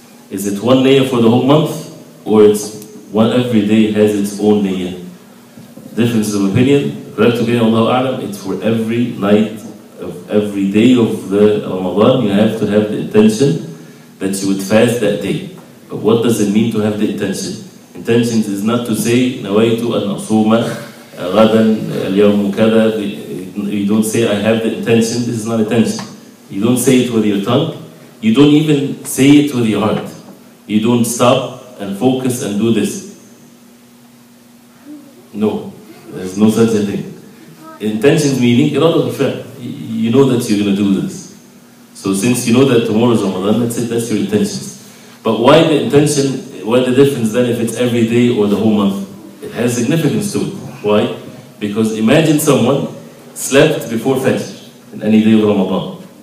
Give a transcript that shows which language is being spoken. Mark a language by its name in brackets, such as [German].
[English] Is it one niyyah for the whole month, or it's one every day has its own niyyah? Differences of opinion. Correct to be Allahu A'lam, it's for every night of every day of the Ramadan, you have to have the intention that you would fast that day. What does it mean to have the intention? Intention is not to say [Arabic] نويت أن أصوم غدا اليوم كذا. [English] You don't say I have the intention. This is not intention. You don't say it with your tongue. You don't even say it with your heart. You don't stop and focus and do this. No, there's no such a thing. Intention meaning [Arabic] إرادة الفعل. [English] You know that you're going to do this. So since you know that tomorrow is Ramadan, that's it, that's your intention. But why the intention, why the difference then if it's every day or the whole month? It has significance to it. Why? Because imagine someone slept before Fajr in any day of Ramadan.